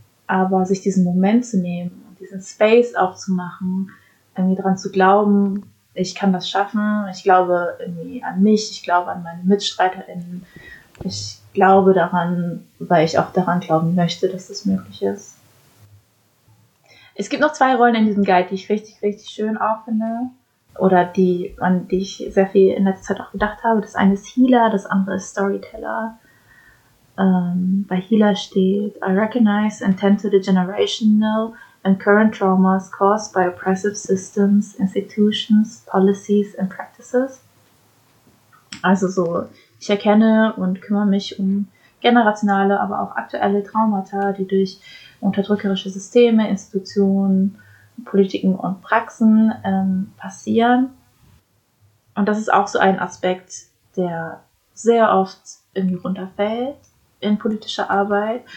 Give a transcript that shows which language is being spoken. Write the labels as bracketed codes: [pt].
[de] aber sich diesen Moment zu nehmen und diesen Space aufzumachen, irgendwie dran zu glauben, ich kann das schaffen, ich glaube irgendwie an mich, ich glaube an meine MitstreiterInnen, ich glaube daran, weil ich auch daran glauben möchte, dass das möglich ist. Es gibt noch zwei Rollen in diesem Guide, die ich richtig, richtig schön auch finde. Oder die, an die ich sehr viel in letzter Zeit auch gedacht habe. Das eine ist Healer, das andere ist Storyteller. Bei Healer steht, [en] I recognize and tend to the generational and current traumas caused by oppressive systems, institutions, policies and practices. [de] Also so, ich erkenne und kümmere mich um generationale, aber auch aktuelle Traumata, die durch unterdrückerische Systeme, Institutionen, Politiken und Praxen passieren. Und das ist auch so ein Aspekt, der sehr oft irgendwie runterfällt in politischer Arbeit.